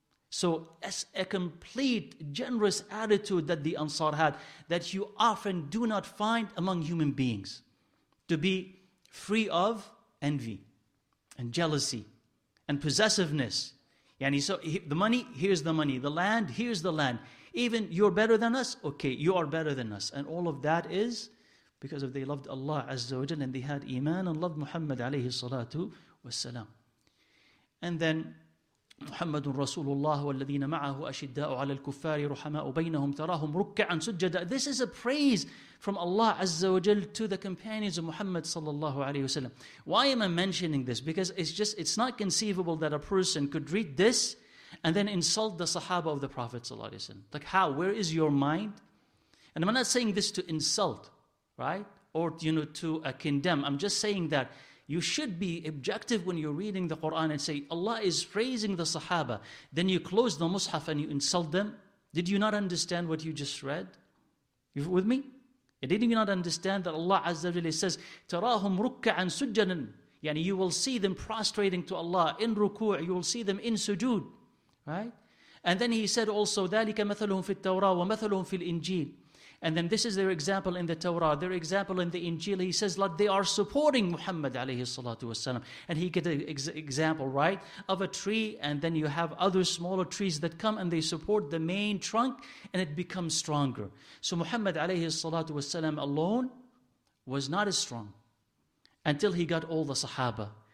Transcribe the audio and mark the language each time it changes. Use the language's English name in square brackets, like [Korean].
[English] So as a complete generous attitude that the Ansar had, that you often do not find among human beings, to be free of envy and jealousy and possessiveness. And so the money, here's the money. The land, here's the land. Even you're better than us? Okay, you are better than us. And all of that is because if they loved Allah Azza wa Jalla and they had Iman and loved Muhammad alayhi salatu wasalam. And then [Arabic] محمد رسول الله والذين معه أشداء على الكفار رحماء بينهم تراهم ركعا سجدا. [English] This is a praise from Allah Azza wa Jal to the companions of Muhammad sallallahu alayhi wa sallam. Why am I mentioning this? Because it's not conceivable that a person could read this and then insult the Sahaba of the Prophet sallallahu alayhi wa sallam. Like, how? Where is your mind? And I'm not saying this to insult, right? Or, you know, to condemn. I'm just saying that you should be objective when you're reading the Quran and say, Allah is praising the Sahaba. Then you close the Mus'haf and you insult them. Did you not understand what you just read? You with me? Didn't you not understand that Allah Azza wa Jalla says, [Arabic] تَرَاهُمْ رُكَّعًا سُجَّنًا, [English] yani you will see them prostrating to Allah in ruku', you will see them in sujood. Right? And then he said also, [Arabic] ذَلِكَ مَثَلُهُمْ فِي التَّوْرَاةِ وَمَثَلُهُمْ فِي الْإِنْجِيلِ. [English] And then this is their example in the Torah, their example in the Injil. He says, like, they are supporting Muhammad alayhi salatu wasalam. And he gets an example, right, of a tree, and then you have other smaller trees that come and they support the main trunk and it becomes stronger. So Muhammad alayhi salatu wasalam alone was not as strong until he got all the Sahaba.